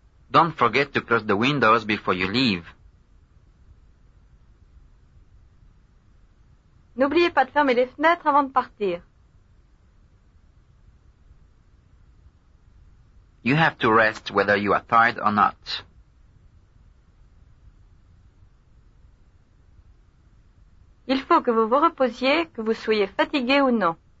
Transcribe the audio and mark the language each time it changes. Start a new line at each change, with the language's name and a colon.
English: Don't forget to close the windows before you leave.
French: N'oubliez pas de fermer les fenêtres avant de partir.
English: You have to rest whether you are tired or not.
French: Il faut que vous vous reposiez, que vous soyez fatigué ou non.